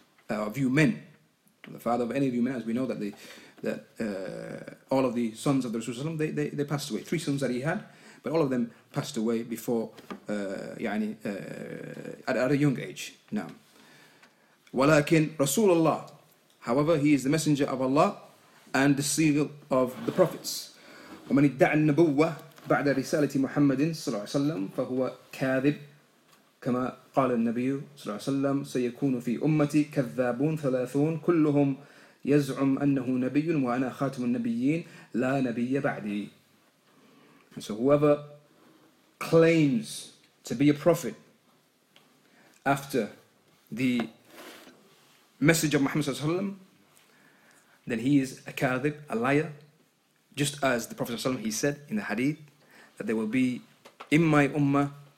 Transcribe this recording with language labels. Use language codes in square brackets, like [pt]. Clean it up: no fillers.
[en] Of you men, the father of any of you men, as we know that all of the sons of the Rasul sallallahu alaihi wasallam, they passed away. Three sons that he had, but all of them passed away before, at a young age. Now, walakin Rasulullah, however, he is the messenger of Allah and the seal of the prophets. [ar] ومن ادعى النبوة بعد رسالة محمد صلى الله عليه وسلم فهو كاذب كما قال النبي صلى الله عليه وسلم سيكون في أمتي كذابون ثلاثون كلهم يزعم أنه نبي وأنا خاتم النبيين لا نبي بعدي. [en] And so whoever claims to be a prophet after the message of Muhammad صلى الله عليه وسلم, then he is a kadhib, a liar, just as the Prophet صلى الله عليه وسلم, he said in the hadith that there will be in my ummah,